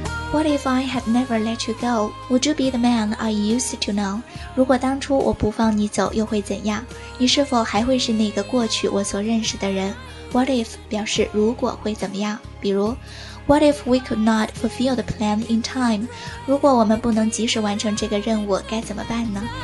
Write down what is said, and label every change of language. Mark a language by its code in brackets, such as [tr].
[en] What if I had never let you go? Would you be the man I used to know? [zh] 如果当初我不放你走又会怎样？你是否还会是那个过去我所认识的人？ [en] What if [zh] 表示如果会怎么样，比如 [en] What if we could not fulfill the plan in time? [zh] 如果我们不能及时完成这个任务，该怎么办呢？